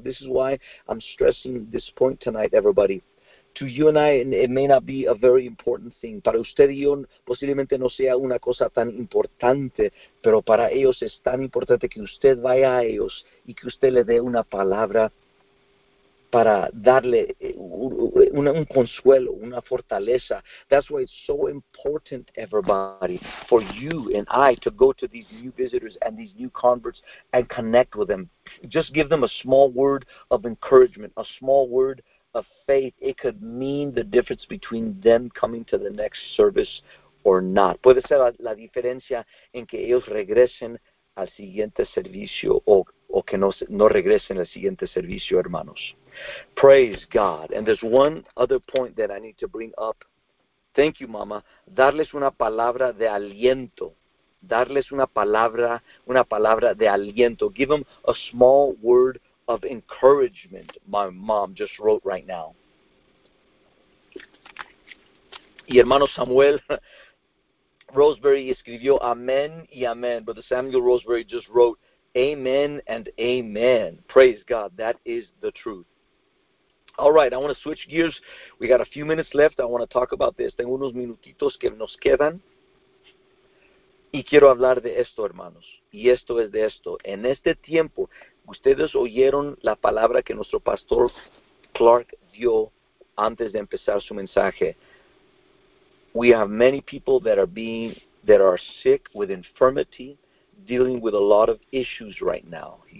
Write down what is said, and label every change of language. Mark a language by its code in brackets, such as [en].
[en] This is why I'm stressing this point tonight, everybody. To you and I, it may not be a very important thing. [es] Para usted y yo, posiblemente no sea una cosa tan importante, pero para ellos es tan importante que usted vaya a ellos y que usted le dé una palabra para darle un consuelo, una fortaleza. [en] That's why it's so important, everybody, for you and I to go to these new visitors and these new converts and connect with them. Just give them a small word of encouragement, a small word of faith. It could mean the difference between them coming to the next service or not. [es] Puede ser la diferencia en que ellos regresen al siguiente servicio o que no regresen al siguiente servicio, hermanos. [en] Praise God. And there's one other point that I need to bring up. Thank you, Mama. [es] Darles una palabra de aliento. Darles una palabra de aliento. [en] Give them a small word of encouragement, my mom just wrote right now. [es] Y hermano Samuel Roseberry escribió amén y amén. [en] Brother Samuel Roseberry just wrote, amen and amen. Praise God. That is the truth. All right, I want to switch gears. We got a few minutes left. I want to talk about this. [es] Tengo unos minutitos que nos quedan. Y quiero hablar de esto, hermanos. Y esto es de esto. En este tiempo, ustedes oyeron la palabra que nuestro pastor Clark dio antes de empezar su mensaje. [en] We have many people that are sick with infirmity, dealing with a lot of issues right now.